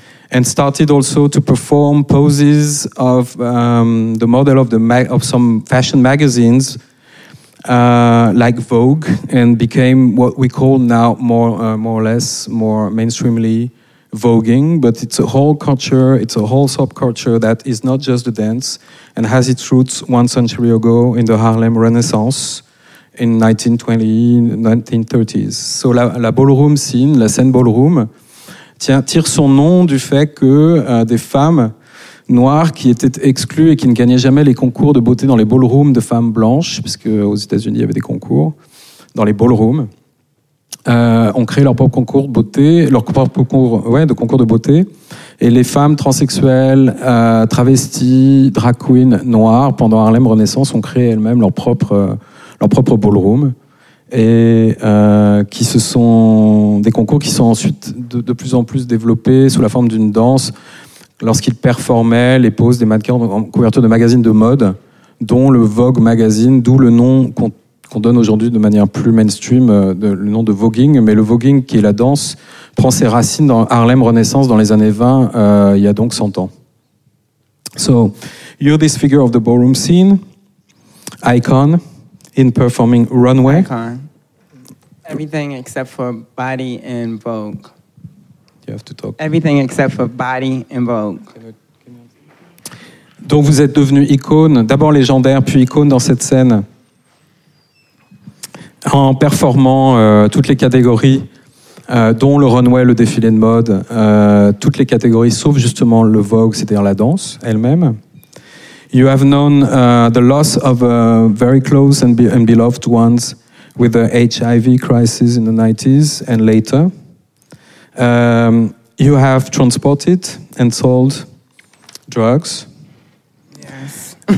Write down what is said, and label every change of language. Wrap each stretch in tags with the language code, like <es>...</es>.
<en>and started also to perform poses of the model of some fashion magazines, like Vogue, and became what we call now more mainstreamly voguing, but it's a whole culture, it's a whole subculture that is not just the dance and has its roots one century ago in the Harlem Renaissance in 1930s.</en> <fr>So la ballroom scene, la scène ballroom, tire son nom du fait que des femmes noires qui étaient exclues et qui ne gagnaient jamais les concours de beauté dans les ballrooms de femmes blanches, parce qu'aux États-Unis il y avait des concours dans les ballrooms, ont créé leur propre concours de beauté, et les femmes transsexuelles, travesties, drag queens noires pendant Harlem Renaissance ont créé elles-mêmes leur propre ballroom, et qui se sont des concours qui sont ensuite de plus en plus développés sous la forme d'une danse lorsqu'il performait les poses des mannequins en couverture de magazines de mode, dont le Vogue magazine, d'où le nom qu'on donne aujourd'hui de manière plus mainstream, le nom de voguing. Mais le voguing, qui est la danse, prend ses racines dans Harlem Renaissance dans les années 20, il y a donc 100 ans.</fr> <en>So, you're this figure of the ballroom scene, icon, in performing runway. Icon. Everything except for body and Vogue. You have to talk. Everything except for body and Vogue.</en> <fr>Donc vous êtes devenu icône, d'abord légendaire, puis icône dans cette scène, en performant toutes les catégories, dont le runway, le défilé de mode, toutes les catégories, sauf justement le Vogue, c'est-à-dire la danse elle-même.</fr> <en>You have known the loss of very close and beloved ones with the HIV crisis in the 90s and later. You have transported and sold drugs. Yes.</en>